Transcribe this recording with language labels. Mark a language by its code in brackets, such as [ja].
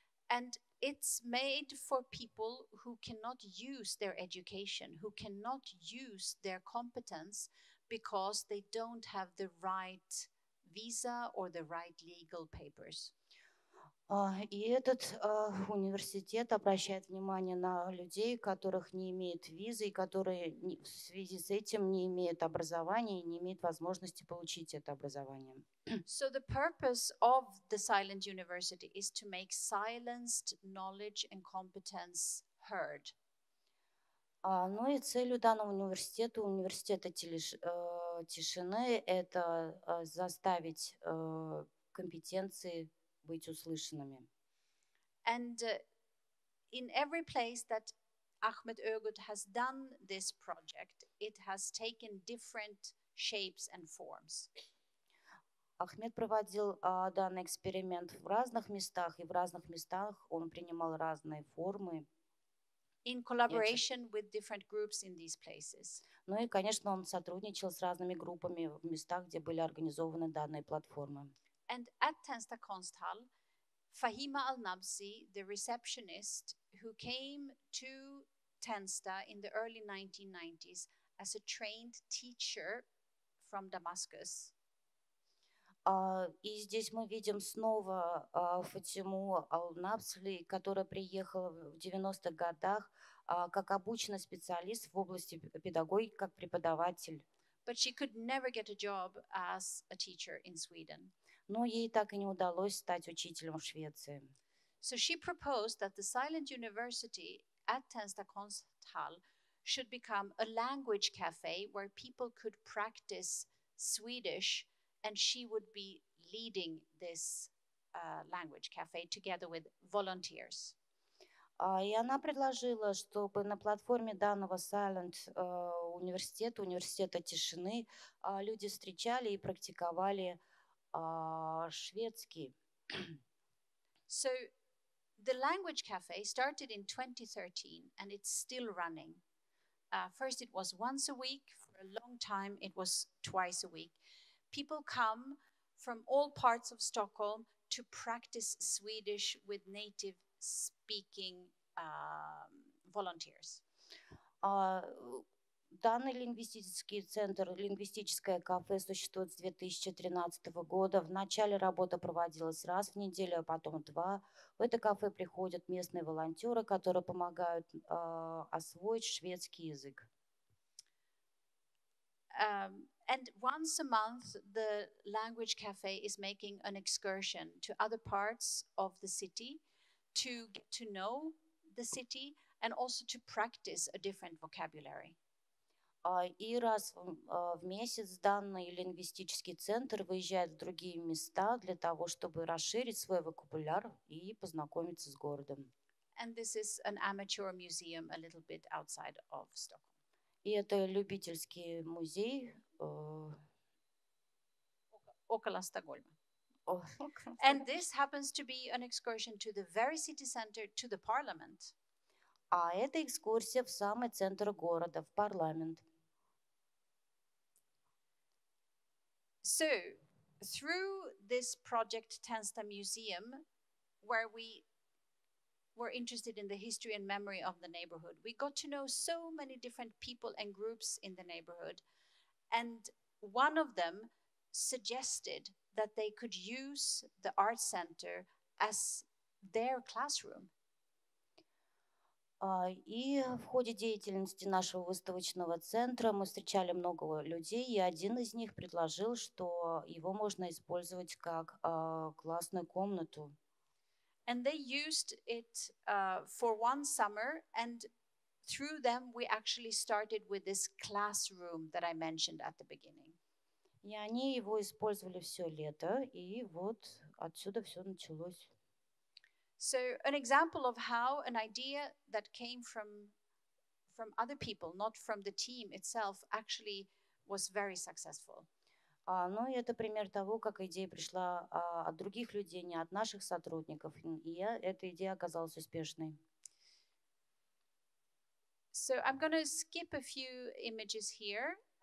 [en] And it's made for people who cannot use their education, who cannot use their competence because they don't have the right visa or the right legal papers. [ru] И этот университет обращает внимание на людей, которых не имеет визы, и которые в связи с этим не имеют образования и не имеют возможности получить это образование. [en] So the purpose of the Silent University is to make silenced knowledge and competence heard. [ru] Ну и целью данного университета, университета тишины, это заставить компетенции быть услышанными. [en] And in every place that Ahmet Ögüt has done this project, it has taken different shapes and forms. [ru] Ахмед проводил данный эксперимент в разных местах, и в разных местах он принимал разные формы. [en] In collaboration with different groups in these places. [ru] Ну и, конечно, он сотрудничал с разными группами в местах, где были организованы данные платформы. [en] And at Tensta Kunsthall, Fahima Al-Nabsi, the receptionist who came to Tensta in the early 1990s as a trained teacher from Damascus. [ru] И здесь мы видим снова Фатиму Ал-Набсли, которая приехала в 90-х годах как обученный специалист в области педагогики, как преподаватель. [en] But she could never get a job as a teacher in Sweden. [ru] Но ей так и не удалось стать учителем в Швеции. [en] So she proposed that the Silent University at Tensta Kunsthall should become a language cafe where people could practice Swedish, and she would be leading this language cafe together with volunteers. [ru] И она предложила, чтобы на платформе данного Silent университета, университета тишины, люди встречали и практиковали шведский. [en] So the language cafe started in 2013 and it's still running. First it was once a week, for a long time it was twice a week. People come from all parts of Stockholm to practice Swedish with native speaking volunteers. [ru] Данный лингвистический центр, лингвистическое кафе существует с 2013 года. Вначале работа проводилась раз в неделю, а потом два. В это кафе приходят местные волонтеры, которые помогают освоить шведский язык. [en] And once a month, the language cafe is making an excursion to other parts of the city to get to know the city and also to practice a different vocabulary. [ru] И раз в месяц данный лингвистический центр выезжает в другие места для того, чтобы расширить свой вокабуляр и познакомиться с городом. [en] And this is an amateur museum a little bit outside of Stockholm. [ru] И это любительский музей около Стокгольма. [en] And this happens to be an excursion to the very city center, to the parliament. [ru] А это экскурсия в самый центр города, в парламент. [en] So, through this project Tensta Museum, where we were interested in the history and memory of the neighborhood, we got to know so many different people and groups in the neighborhood. And one of them suggested that they could use the art center as their classroom. [ru] И в ходе деятельности нашего выставочного центра мы встречали много людей, и один из них предложил, что его можно использовать как классную комнату. [en] And they used it for one summer, and through them we actually started with this classroom that I mentioned at the beginning. [ru] И они его использовали все лето, и вот отсюда все началось. [en] So an example of how an idea that came from other people, not from the team itself, actually was very successful. [ru] Ну и это пример того, как идея пришла от других людей, не от наших сотрудников, и эта идея оказалась успешной. [en] So I'm going to skip a few images here.